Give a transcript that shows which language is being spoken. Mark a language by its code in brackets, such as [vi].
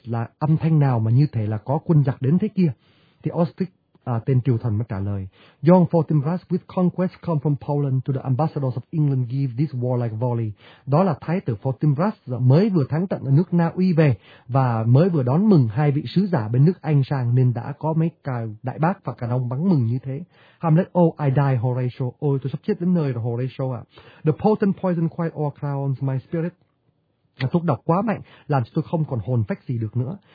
[vi] Là âm thanh nào mà như thế là có quân giặc đến thế kia? Thì Ostrich, tên triều thần, mới trả lời. [en] John Fortinbras with conquest come from Poland to the ambassadors of England give this warlike volley. [vi] Đó là thái tử Fortinbras mới vừa thắng trận ở nước Na Uy về và mới vừa đón mừng hai vị sứ giả bên nước Anh sang, nên đã có mấy cài đại bác và cả đông bắn mừng như thế. Hamlet, [en] oh, I die, Horatio. [vi] Ôi, tôi sắp chết đến nơi rồi, Horatio ạ. [en] The potent poison quite o'crowns my spirit. [vi] Thuốc độc quá mạnh, làm cho tôi không còn hồn phách gì được nữa.